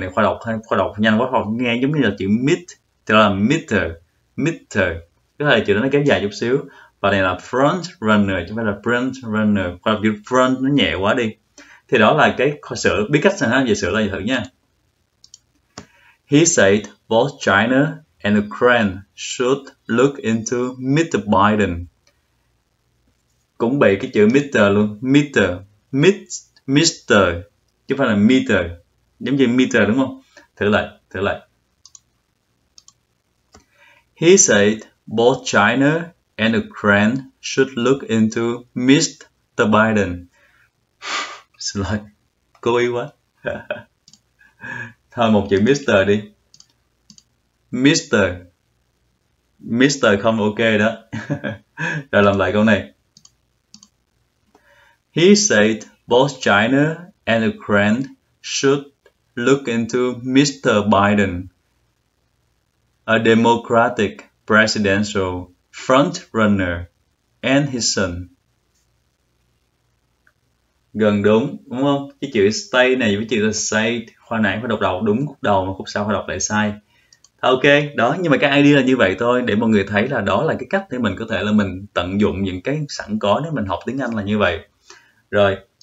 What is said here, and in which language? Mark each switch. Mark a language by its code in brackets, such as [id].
[vi] này khoa đọc nhanh quá, khoa nghe giống như là chữ mid, thì là Mr. Mr. Cái này chữ đó nó kéo dài chút xíu và này là front runner chứ không phải là print runner, hoặc là chữ front nó nhẹ quá đi. Thì đó là cái sửa biết cách sao về sửa lại thử nha. [en] He said both China and Ukraine should look into Mr. [vi] Biden, cũng bị cái chữ Mr. luôn, Mr. Mr. Mr. chứ không phải là meter giống như meter đúng không? Thử lại [en] He said both China and Ukraine should look into Mr. Biden. [vi] Cố ý quá. Thôi một chữ Mr. đi. Mr. Mr. không ok đó. Rồi làm lại câu này. [en] He said both China and Ukraine should look into Mr. Biden, a Democratic presidential front runner and his son. [vi] Gần đúng không? Cái chữ stay này với chữ là say, khoa nãy phải đọc đầu đúng khúc đầu mà khúc sau phải đọc lại sai. Ok, đó nhưng mà cái idea là như vậy thôi để mọi người thấy là đó là cái cách để mình có thể là mình tận dụng những cái sẵn có nếu mình học tiếng Anh là như vậy. Rồi.